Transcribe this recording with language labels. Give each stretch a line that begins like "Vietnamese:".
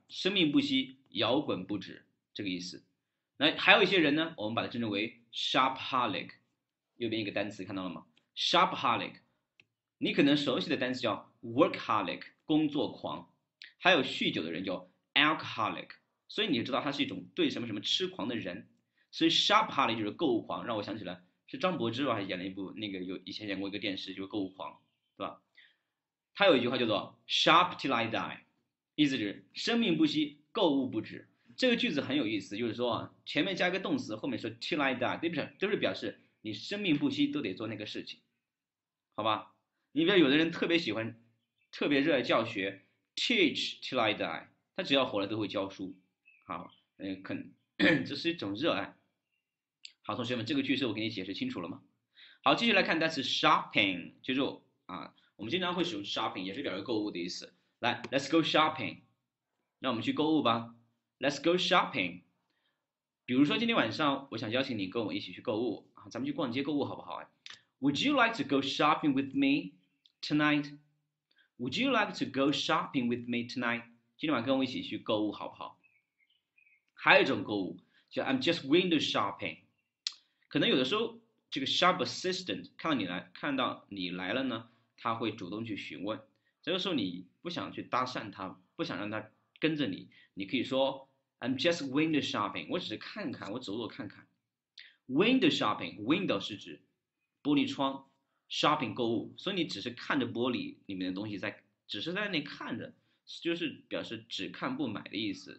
Chinese: 生命不息，摇滚不止，这个意思。那还有一些人呢，我们把它称之为 shopaholic，右边一个单词，看到了吗？shopaholic，你可能熟悉的单词叫 workaholic，工作狂，还有酗酒的人叫 alcoholic，所以你就知道他是一种对什么什么痴狂的人。所以 shopaholic 就是购物狂，让我想起来是张柏芝吧，还演了一部那个有以前演过一个电视，就是购物狂，对吧？他有一句话叫做
English: shop till I die。
Chinese: 意思是生命不息，购物不止。这个句子很有意思，就是说前面加一个动词，后面说 till I die，对不对？都是表示你生命不息都得做那个事情，好吧？你比如有的人特别喜欢，特别热爱教学，
English: teach till I die，
Chinese: 他只要活了都会教书，好，这是一种热爱。好，同学们，这个句式我给你解释清楚了吗？好，继续来看单词 shopping，记住啊，我们经常会使用 shopping，也是表示购物的意思。
English: 来，Let's go shopping。
Chinese: 那我们去购物吧。
English: Let's go shopping。
Chinese: 比如说今天晚上我想邀请你跟我一起去购物啊，咱们去逛街购物好不好啊？
English: Would you like to go shopping with me tonight? Would you like to go shopping with me tonight?
Chinese: 今天晚上跟我一起去购物好不好？还有一种购物叫
English: I'm just window shopping。
Chinese: 可能有的时候这个 shop assistant 看到你来了呢，他会主动去询问。这个时候你不想去搭讪他，不想让他跟着你，你可以说
English: "I'm just window shopping"，
Chinese: 我只是看看，我走走看看。 Window shopping，window 是指玻璃窗，shopping 购物，所以你只是看着玻璃里面的东西在，只是在那看着，就是表示只看不买的意思。